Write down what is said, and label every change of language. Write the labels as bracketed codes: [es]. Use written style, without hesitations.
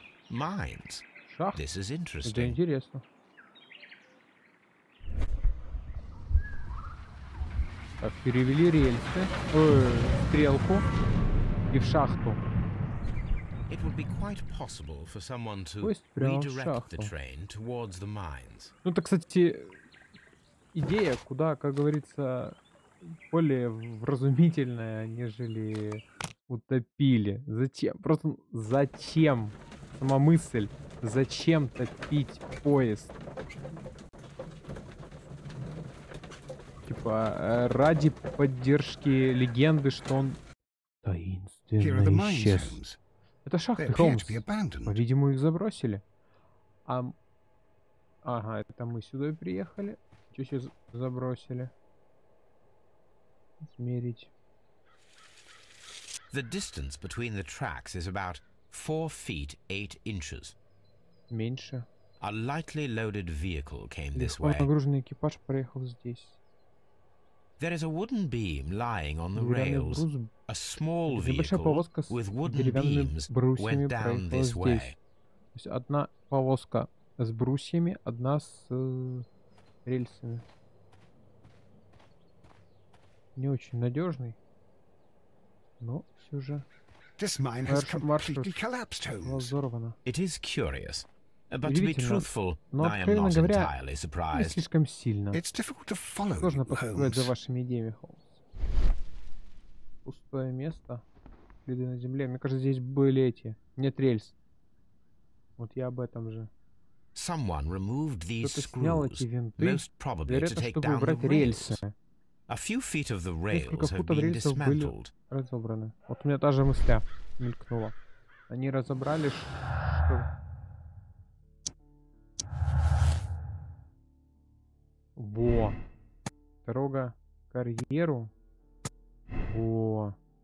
[en] Mines. [ru] шахт. [en] This is interesting. [ru] Это интересно. Так, перевели рельсы, стрелку и в шахту. [en] It would be quite possible for someone to redirect the train towards the mines. [ru] Ну, это, кстати, идея, куда, как говорится, более вразумительная, нежели утопили. Зачем? Просто зачем? Сама мысль, зачем топить поезд? Типа, ради поддержки легенды, что он таинственно исчез. Это шахты, Холмс. По-видимому, их забросили. А... Ага, это мы сюда и приехали. Чё сейчас забросили? Измерить. [en] The distance between the tracks is about 4 feet 8 inches. [ru] Меньше. [en] A lightly loaded vehicle came this way. [ru] Нагруженный экипаж проехал здесь. [en] There is a wooden beam lying on the rails. A small vehicle with wooden beams went down this way. [ru] То есть одна повозка с брусьями, одна с рельсами. Не очень надежный, но все же. [en] This mine has completely collapsed, Holmes. It is curious. But to be truthful, I am not entirely surprised. [ru] Слишком сильно. [en] It's difficult to follow, [ru] сложно поспевать за вашими идеями, Холмс. Пустое место. Следы на земле. Мне кажется, здесь были эти. Нет рельс. Вот я об этом же. [en] Someone removed these screws, most probably to take down the rails. A few feet of the rails have been dismantled. [ru] Разобраны. Вот у меня та же мысля мелькнула. Они разобрали, что... Во! Дорога к карьеру. Во!